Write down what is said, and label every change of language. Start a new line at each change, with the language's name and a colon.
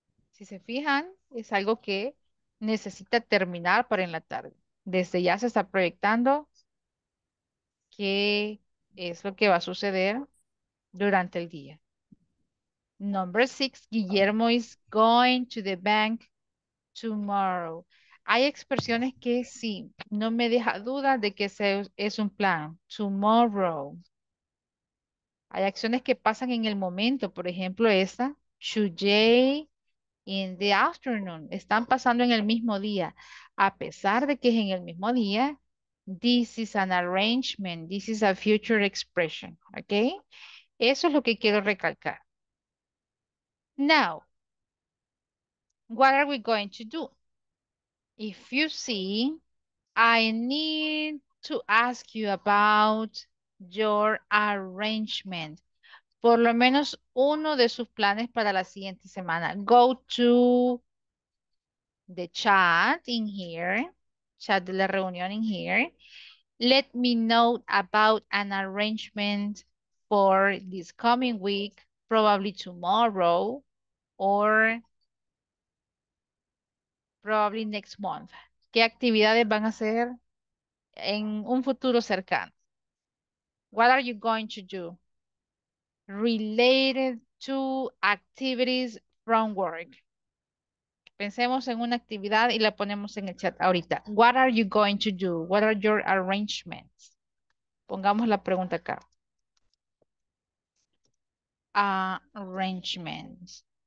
Spanish: Si se fijan, es algo que necesita terminar para en la tarde. Desde ya se está proyectando qué es lo que va a suceder durante el día.
English: Number six, Guillermo is going to the bank tomorrow.
Spanish: Hay expresiones que sí, no me deja duda de que es un plan. Tomorrow. Hay acciones que pasan en el momento, por ejemplo, esta.
English: Today in the afternoon.
Spanish: Están pasando en el mismo día. A pesar de que es en el mismo día,
English: this is an arrangement. This is a future expression. Okay?
Spanish: Eso es lo que quiero recalcar.
English: Now, what are we going to do? If you see, I need to ask you about your arrangement.
Spanish: Por lo menos uno de sus planes para la siguiente semana.
English: Go to the chat in here,
Spanish: chat de la reunión
English: in here. Let me know about an arrangement for this coming week, probably tomorrow. Or probably next month.
Spanish: ¿Qué actividades van a hacer en un futuro cercano?
English: What are you going to do? Related to activities from work.
Spanish: Pensemos en una actividad y la ponemos en el chat ahorita.
English: What are you going to do? What are your arrangements?
Spanish: Pongamos la pregunta acá.
English: Arrangements.